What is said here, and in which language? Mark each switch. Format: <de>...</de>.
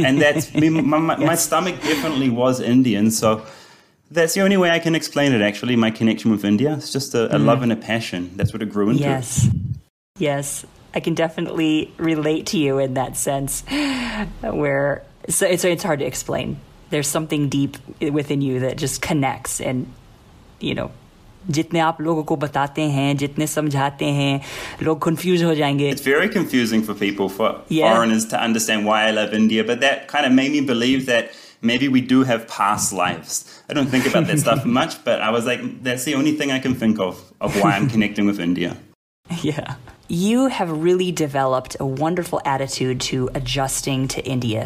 <en>And that's my stomach definitely was Indian. So that's the only way I can explain it, actually, my connection with India. It's just a love and a passion. That's what it grew into. Yes. Yes. I can definitely relate to you in that sense where it's hard to explain. There's something deep within you that just connects and, you know,</en> <hi>जितने आप लोगो को बताते हैं, जितने समझाते हैं, लोग confused हो जाएंगे.</hi> <en>It's very confusing for people, foreigners, to understand why I love India. But that kind of made me believe that maybe we do have past lives. I don't think about that stuff much, but I was like, that's the only thing I can think of why I'm connecting with India. Yeah. You have really developed a wonderful attitude to adjusting to India.</en>